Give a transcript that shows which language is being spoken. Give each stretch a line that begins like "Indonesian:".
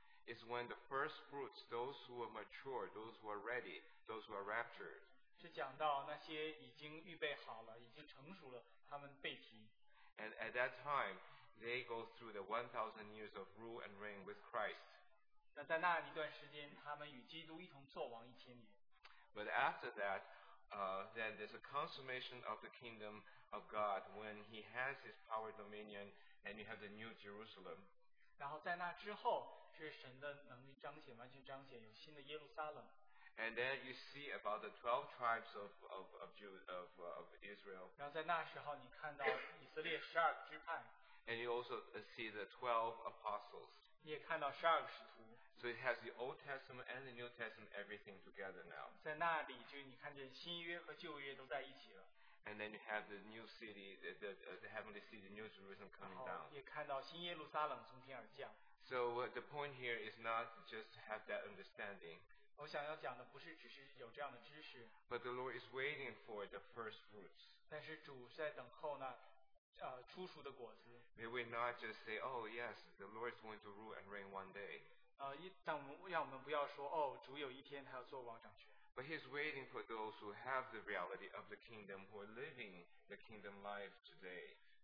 English: It's when the first fruits, those who are mature, those who are ready, those who are raptured.
Chinese: 是讲到那些已经预备好了，已经成熟了，他们被提。
English: And at that time, they go through the 1,000 years of rule and reign with Christ.
Chinese: 那在那一段时间，他们与基督一同作王1000年。
English: But after that, then there's a consummation of the kingdom of God when He has His power dominion, and you have the New Jerusalem.
Chinese: 然后在那之后，是神的能力彰显，完全彰显，有新的耶路撒冷。
English: And then you see about the 12 tribes of Israel.
Chinese: 然后在那时候，你看到以色列十二支派。
English: And you also see the 12 apostles.
Chinese: 你也看到十二个使徒。
English: So it has the Old Testament and the New Testament everything together now.
Chinese: 在那里就你看见新约和旧约都在一起了。
English: And then you have the new city, the heavenly city, New Jerusalem coming down.
Chinese: 也看到新耶路撒冷从天而降。
English: So the point here is not just to have that understanding.
Chinese: 我想要讲的不是只是有这样的知识。
English: But the Lord is waiting for the first fruits.
Chinese: 但是主在等候呢。初熟的果子,
English: may we not just say, oh yes, the Lord is going to rule and reign one day.
Chinese: 但我们不要说, oh, 主有一天他要做王掌权。
English: But He is waiting for those who have the reality of the kingdom, who are living the kingdom life today.